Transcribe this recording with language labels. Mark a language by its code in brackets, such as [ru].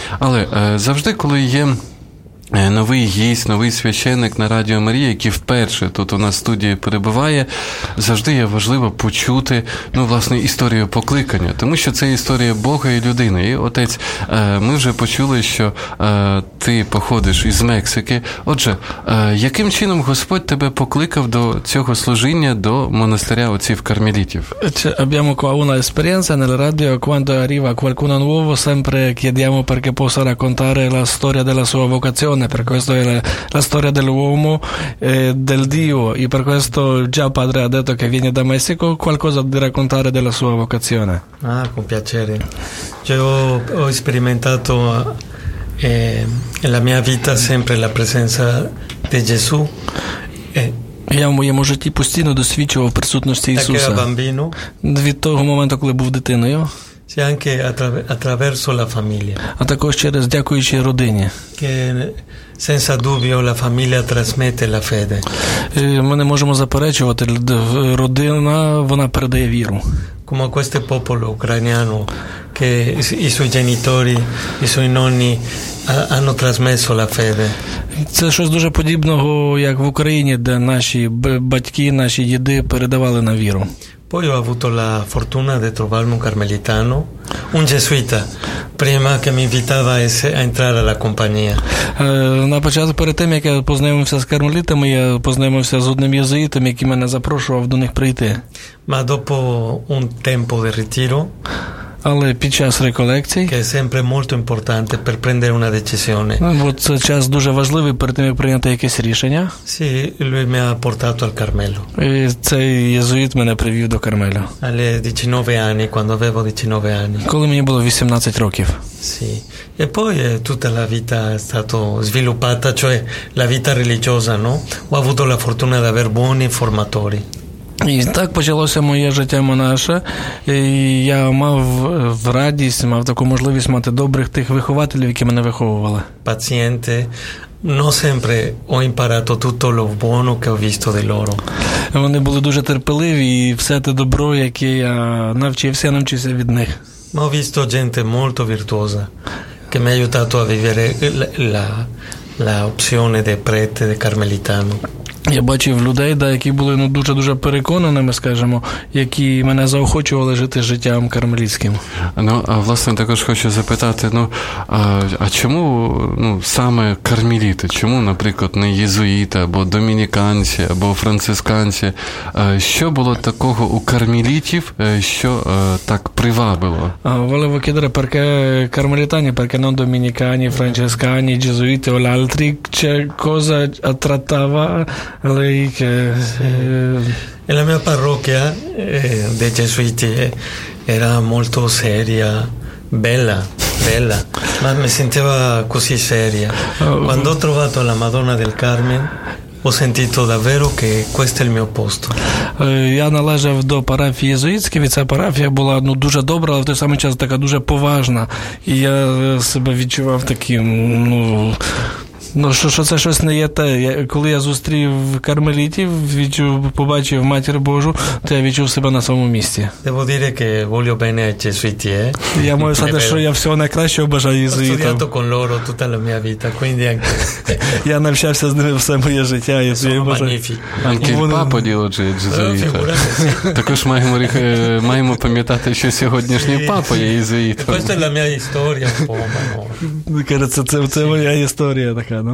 [uk] Але завжди, коли є новий гість, новий священник на Радіо Марія, який вперше тут у нас в студії перебуває, завжди є важливо почути, ну, власне, історію покликання. Тому що це історія Бога і людини. І, отець, ми вже почули, що ти походиш із Мексики. Отже, яким чином Господь тебе покликав до цього служіння, до монастиря отців кармелітів? [it] Чи abbiamo qua una esperienza nel radio quando arriva qualcuno nuovo sempre chiediamo perché possa raccontare la storia della sua vocazione. Per questo è la storia dell'uomo e del Dio, e per questo già padre ha detto che viene da Messico qualcosa da raccontare della sua vocazione. Ah, con piacere. Cioè, ho sperimentato nella mia vita sempre la presenza di Gesù. [uk] Я в моєму житті постійно досвідчував присутності Ісуса. Так, я бамбіно. Від того моменту, коли був дитиною. [it] Sì, anche attraverso la famiglia. [uk] A також через дякуючи родині. [it] Che senza dubbio la famiglia trasmette la fede. [uk] Ми не можемо заперечувати, родина, вона передає віру. [it] Come questo popolo ucraniano che i suoi genitori, i suoi nonni hanno trasmesso la fede. [uk] Це щось дуже подібного, як в Україні, де наші батьки, наші діди передавали на віру. [it] Poi ho avuto la fortuna di trovare un carmelitano, un gesuita, prima che mi invitava a entrare alla compagnia. [uk] На початку, перед тим, як я познайомився з кармелітами, я познайомився з одним єзуїтом, який мене запрошував до них прийти. [it] Ma dopo un tempo di ritiro, [uk] але під час реколекцій, [it] che è sempre molto importante per prendere una decisione. [uk] Бо це час дуже важливий перед тим, як прийняти якесь рішення. [it] Sì, lui mi ha portato al Carmelo. [uk] І цей єзуїт мене привів до Кармелю. [it] Alle 19 anni, quando avevo 19 anni. [uk] Коли мені було 18 років. [it] Sì. E poi tutta la vita è stata sviluppata, cioè la vita religiosa, no? Ho avuto la fortuna di avere buoni formatori. [uk] І так почалося моє життя монаше, і я мав в радість, мав таку можливість мати добрих тих вихователів, які мене виховували. [it] Пацієнти, non sempre ho imparato tutto lo buono che ho visto di loro. [uk] Вони були дуже терпеливі, і все те добро, яке я навчився, навчився від них. [it] Ma ho visto gente molto virtuosa, che mi ha aiutato a vivere la opzione di prete, di carmelitano. [uk] Я бачив людей, да, які були, ну, дуже-дуже переконаними, скажімо, які мене заохочували жити життям кармелітським. Ну, а власне також хочу запитати, ну, а чому, ну, саме кармеліти? Чому, наприклад, не єзуїти, або домініканці, або францисканці? Що було такого у кармелітів, що так привабило? [it] Volevo chiedere perché carmelitani, perché non dominicani, francescani, jesuiti o altri, c'è cosa attrattava lei che e la mia parrocchia dei gesuiti era molto seria, bella, ma mi sentiva così seria. Quando ho trovato la Madonna del Carmen ho sentito davvero che questo è il mio posto. [uk] Я належав до парафії єзуїтської, і ця парафія була, ну, дуже добра, але в той самий час така дуже поважна, і я себе відчував таким, ну, ну, що це щось не є те. Коли я зустрів кармелітів, побачив Матір Божу, то я відчув себе на своєму місці. [it] Devo dire che voglio bene ai gesuiti, [uk] Я маю сказати, що я всього найкраще бажаю єзуїтам. [it] Ho studiato con loro tutta la mia vita, quindi anche... [uk] Я навчався з ними все моє життя. [it] Anche il papa di oggi è єзуїта. [uk] Також маємо пам'ятати, що сьогоднішній папа є єзуїтом. [it] Questa è la mia storia, un po', ma no. [uk] Це моя історія, так.